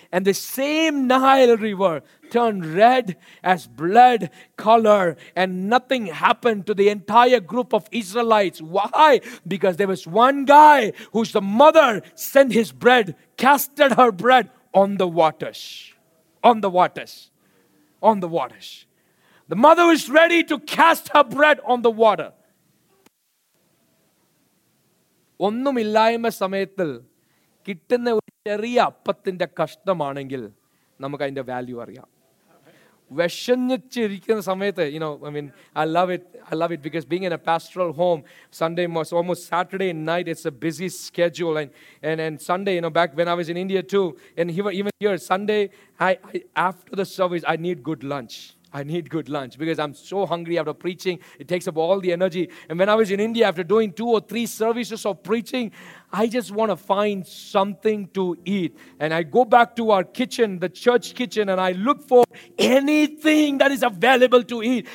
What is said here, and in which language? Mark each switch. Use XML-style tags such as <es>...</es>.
<en>And the same Nile River turned red as blood color, and nothing happened to the entire group of Israelites. Why? Because there was one guy whose mother sent his bread, casted her bread on the waters. The mother was ready to cast her bread on the water.</en> <ml>Onnum illayma samayathil കിട്ടുന്ന ഒരു ചെറിയ അപ്പത്തിൻ്റെ കഷ്ടമാണെങ്കിൽ നമുക്ക് അതിൻ്റെ value അറിയാം. വിശഞ്ഞിച്ചിരിക്കുന്ന സമയത്ത്,</ml> <en>You know, I mean, I love it because being in a pastoral home, Sunday almost Saturday night it's a busy schedule, and Sunday, you know, back when I was in India too, and even here Sunday, I after the service I need good lunch. I need good lunch because I'm so hungry after preaching. It takes up all the energy. And when I was in India, after doing 2 or 3 services of preaching, I just want to find something to eat. And I go back to our kitchen, the church kitchen, and I look for anything that is available to eat.</en>